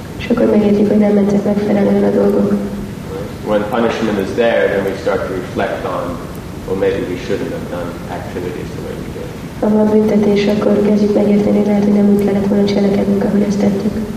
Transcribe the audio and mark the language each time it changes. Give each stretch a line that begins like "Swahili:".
Hungarian: És akkor megértjük, hogy nem mentek megfelelően a dolgok.
English: When punishment is there, then we start to reflect on, well, maybe we shouldn't have done activities the way we did.
Hungarian: Ha van büntetés, akkor kezdjük megérteni, lehet, hogy nem úgy kellett volna cselekednünk, ahogy ezt tettük.